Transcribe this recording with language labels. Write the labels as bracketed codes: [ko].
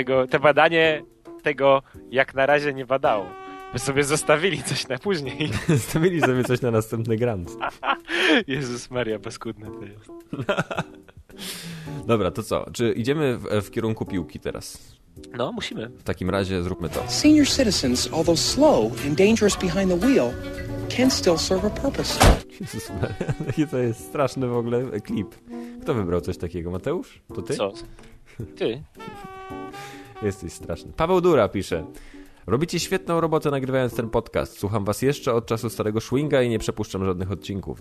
[pl] Te badanie tego jak na razie nie badało. By sobie zostawili coś na później. Zostawili sobie coś na następny grant. Jezus Maria, paskudne to jest. Dobra, to co? Czy idziemy w kierunku piłki teraz? No, musimy. W takim razie zróbmy to. [en] Senior citizens, although slow and dangerous behind the wheel, can still serve a purpose. [pl] Jezus Maria, to jest straszny w ogóle klip. Kto wybrał coś takiego? Mateusz? To ty? Co? Ty. Jesteś straszny. Paweł Dura pisze. Robicie świetną robotę nagrywając ten podcast. Słucham was jeszcze od czasu starego Schwinga i nie przepuszczam żadnych odcinków.